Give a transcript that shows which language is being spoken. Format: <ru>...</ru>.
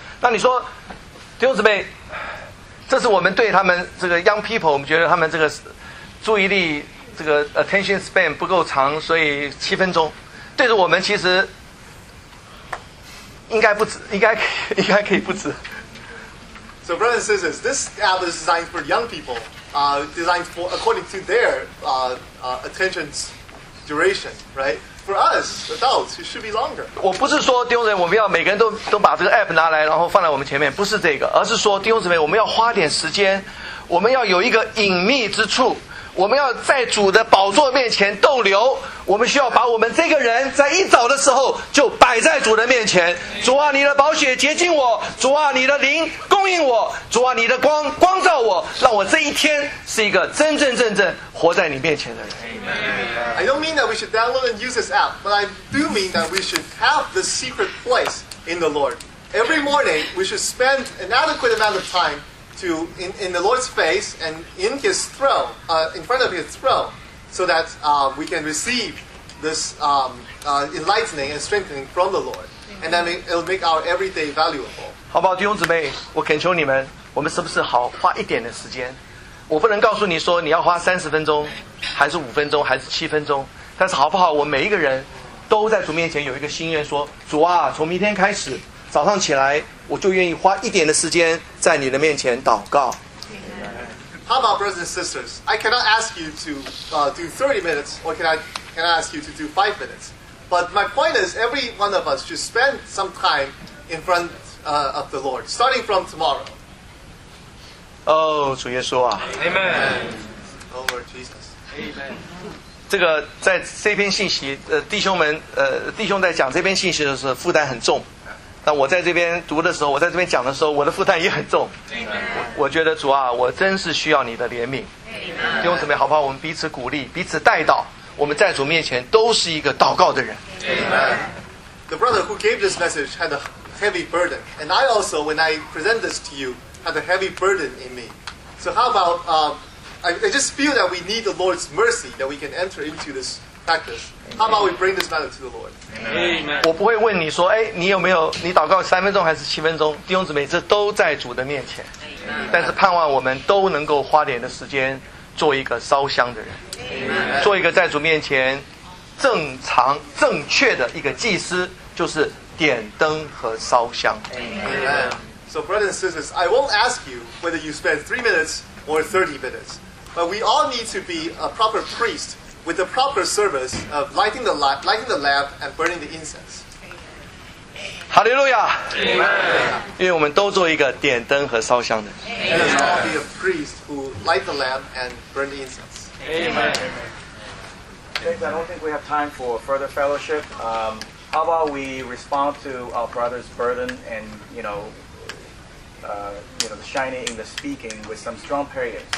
<zh>那你说，弟兄姊妹，这是我们对他们这个</zh> <en>young people，</en> <zh>我们觉得他们这个注意力这个 attention span 不够长，所以七分钟。对着我们其实应该不止，应该可以不止。</zh> <en>So brothers and sisters, this app is designed for young people. Designed for, according to their attention duration, right? For us adults, it should be longer.</en> <zh>我不是说弟兄姊妹，我们要每个人都把这个 app 拿来，然后放在我们前面，不是这个，而是说弟兄姊妹，我们要花点时间，我们要有一个隐秘之处，我们要在主的宝座面前逗留，我们需要把我们这个人在一早的时候就摆在主的面前。主啊，你的宝血洁净我，主啊，你的灵供应我，主啊，你的光光照我，让我这一天是一个真真正正活在你面前的人。</zh> <en>I don't mean that we should download and use this app, but I do mean that we should have the secret place in the Lord. Every morning, we should spend an adequate amount of time to in the Lord's face and in His throne, in front of His throne, so that we can receive this enlightening and strengthening from the Lord, and then it'll make our everyday valuable.</en> <zh>好不好，弟兄姊妹，我恳求你们，我们是不是好花一点的时间？我不能告诉你说你要花三十分钟，还是五分钟，还是七分钟，但是好不好？我每一个人都在主面前有一个心愿，说主啊，从明天开始早上起来，我就愿意花一点的时间在你的面前祷告。</zh> <en>How about brothers and sisters? I cannot ask you to do 30 minutes, or can I ask you to do 5 minutes? But my point is, every one of us should spend some time in front of the Lord, starting from tomorrow.</en> <zh>Oh, 主耶稣啊。</zh> <en>Amen. Oh, Lord Jesus. Amen.</en> <zh>这个在这篇信息，弟兄们，弟兄在讲这篇信息的时候负担很重，但我在这边读的时候，我在这边讲的时候，我的负担也很重。我觉得主啊，我真是需要你的怜悯。弟兄姊妹，好不好？我们彼此鼓励，彼此带到，我们在主面前都是一个祷告的人。</zh> <en>The brother who gave this message had a heavy burden, and I also, when I present this to you, had a heavy burden in me. So how about I just feel that we need the Lord's mercy that we can enter into this practice. How about we bring this matter to the Lord? Amen.</en> <zh>我不会问你说，哎，你有没有你祷告三分钟还是七分钟？弟兄姊妹，这都在主的面前。</zh> <en>Amen.</en> <zh>但是盼望我们都能够花点的时间做一个烧香的人。</zh> <en>Amen.</en> <zh>做一个在主面前正常正确的一个祭司，就是点灯和烧香。</zh> <en>Amen. So brothers and sisters, I won't ask you whether you spend 3 minutes. Or 30 minutes. But we all need to be a proper priest with the proper service of lighting the lamp and burning the incense. Hallelujah! Amen!</en> <zh>因为我们都做一个点灯和烧香的。</zh> <en>Amen! Let us all be a priest who light the lamp and burn the incense. Amen! James, I don't think we have time for further fellowship. How about we respond to our brother's burden and, you know,shining in the speaking with some strong prayers.</en>